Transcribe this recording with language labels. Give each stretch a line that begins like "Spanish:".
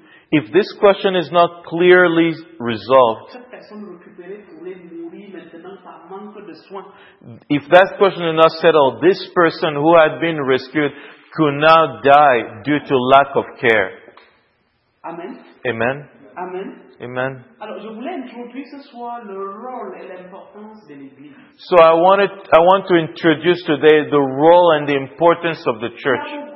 English: If this question is not clearly resolved, if that question is not settled, this person who had been rescued could now die due to lack of care. Amen. Amen. Amen. Amen.
French: Alors, je voulais introduire ce soir le rôle et l'importance de l'église.
English: So I want to introduce today the role and the importance of the church.